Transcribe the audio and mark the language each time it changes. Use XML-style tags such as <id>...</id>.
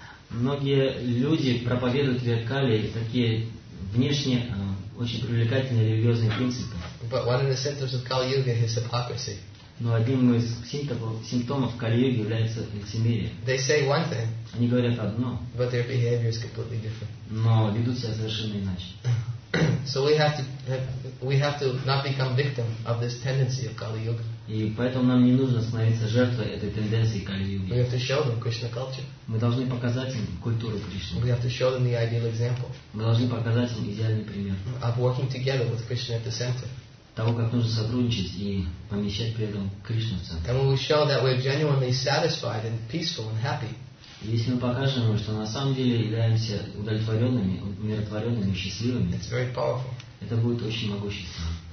<ru>Многие люди проповедуют в век Кали такие внешне очень привлекательные религиозные принципы.</ru> <en>But one of the symptoms of Kali Yuga is hypocrisy.</en> <ru>Но один из симптомов Кали Юги является лицемерие.</ru> <en>They say one thing.</en> <ru>Они говорят одно.</ru> <en>But their behavior is completely different.</en> <ru>Но ведут себя совершенно иначе.</ru> <en>So we have to not become victim of this tendency of Kali Yuga.</en> <ru>И поэтому нам не нужно становиться жертвой этой тенденции Кали Юги.</ru> <en>We have to show them Krishna culture.</en> <ru>Мы должны показать им культуру Кришны.</ru> <en>We have to show them the ideal example.</en> <ru>Мы должны показать им идеальный пример.</ru> <en>Of working together with Krishna at the center.</en> <ru>Того, как нужно сотрудничать и помещать при этом Кришну в центр.</ru> <en>And we show that we're genuinely satisfied and peaceful and happy.</en> <ru>Если мы покажем, что на самом деле являемся удовлетворенными, умиротворенными, счастливыми,</ru> <en>it's very powerful.</en> <ru>Это будет очень могущественно.</ru>